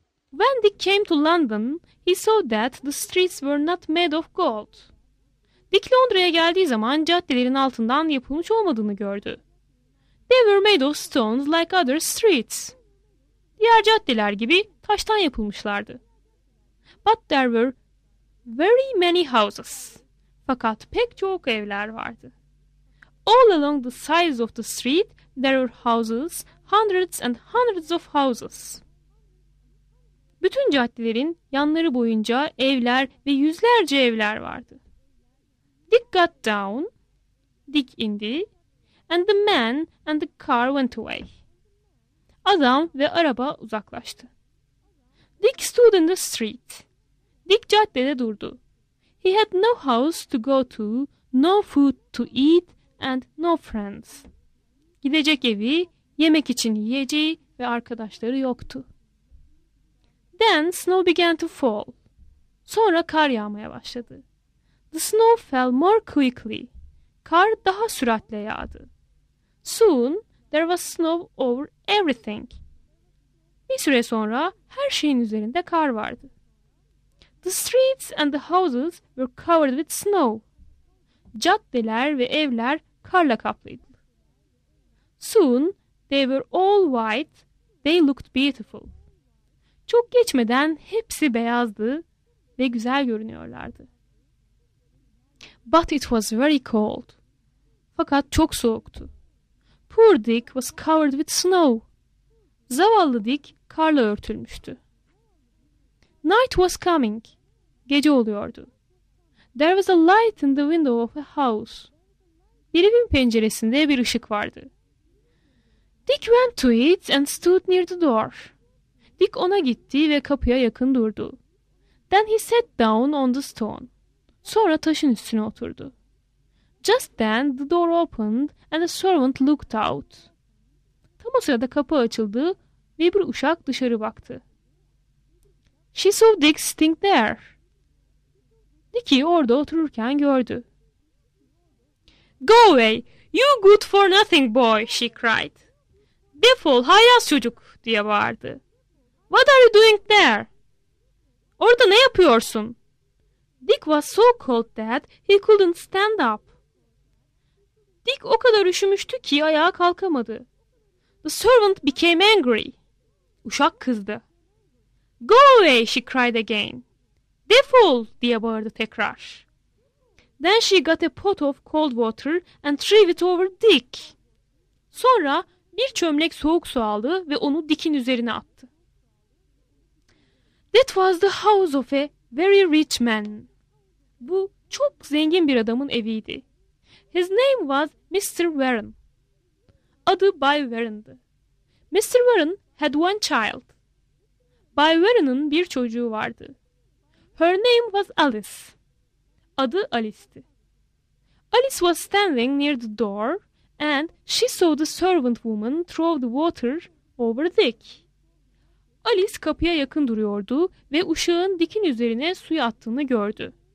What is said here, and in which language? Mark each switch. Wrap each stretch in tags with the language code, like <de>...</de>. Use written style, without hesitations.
<en>When Dick came to London, he saw that the streets were not made of gold.</en> <tr>Dick Londra'ya geldiği zaman caddelerin altından yapılmış olmadığını gördü.</tr> <en>They were made of stones like other streets.</en> <tr>Diğer caddeler gibi taştan yapılmışlardı.</tr> <en>But there were very many houses.</en> <tr>Fakat pek çok evler vardı.</tr> <en>All along the sides of the street there were houses, hundreds and hundreds of houses.</en> <tr>Bütün caddelerin yanları boyunca evler ve yüzlerce evler vardı.</tr> <en>Dick got down,</en> <tr>Dick indi,</tr> <en>and the man and the car went away.</en> <tr>Adam ve araba uzaklaştı.</tr> <en>Dick stood in the street.</en> <tr>Dick caddede durdu.</tr> <en>He had no house to go to, no food to eat, and no friends.</en> <tr>Gidecek evi, yemek için yiyeceği ve arkadaşları yoktu.</tr> <en>Then snow began to fall.</en> <tr>Sonra kar yağmaya başladı.</tr> <en>The snow fell more quickly.</en> <tr>Kar daha süratle yağdı.</tr> <en>Soon there was snow over everything.</en> <tr>Bir süre sonra her şeyin üzerinde kar vardı.</tr> <en>The streets and the houses were covered with snow.</en> <tr>Caddeler ve evler karla kaplıydı.</tr> <en>Soon they were all white. They looked beautiful.</en> <tr>Çok geçmeden hepsi beyazdı ve güzel görünüyorlardı.</tr> <en>But it was very cold.</en> <tr>Fakat çok soğuktu.</tr> <en>Poor Dick was covered with snow.</en> <tr>Zavallı Dick karla örtülmüştü.</tr> <en>Night was coming.</en> <tr>Gece oluyordu.</tr> <en>There was a light in the window of a house.</en> <tr>Bir evin penceresinde bir ışık vardı.</tr> <en>Dick went to it and stood near the door.</en> <tr>Dick ona gitti ve kapıya yakın durdu.</tr> <en>Then he sat down on the stone.</en> <tr>Sonra taşın üstüne oturdu.</tr> <en>Just then the door opened and a servant looked out.</en> <tr>Tam o sırada kapı açıldı ve bir uşak dışarı baktı.</tr> <en>She saw Dick sitting there.</en> <tr>Dick'i orada otururken gördü.</tr> <en>Go away, you good for nothing boy, she cried.</en> <tr>Defol, hayas çocuk, diye bağırdı.</tr> <en>What are you doing there?</en> <tr>Orada ne yapıyorsun?</tr> <en>Dick was so cold that he couldn't stand up.</en> <tr>Dick o kadar üşümüştü ki ayağa kalkamadı.</tr> <en>The servant became angry.</en> <tr>Uşak kızdı.</tr> <en>Go away, she cried again.</en> <tr>Defol, diye bağırdı tekrar.</tr> <en>Then she got a pot of cold water and threw it over Dick.</en> <tr>Sonra bir çömlek soğuk su aldı ve onu Dick'in üzerine attı.</tr> <en>That was the house of a very rich man.</en> <tr>Bu çok zengin bir adamın eviydi.</tr> <en>His name was Mr. Warren.</en> <tr>Adı Bay Warren'dı.</tr> <en>Mr. Warren had one child.</en> <tr>Bay Warren'ın bir çocuğu vardı.</tr> <en>Her name was Alice.</en> <tr>Adı Alice'ti.</tr> <en>Alice was standing near the door and she saw the servant woman throw the water over Dick.</en> <tr>Alice kapıya yakın duruyordu ve uşağın Dick'in üzerine suyu attığını gördü.</tr>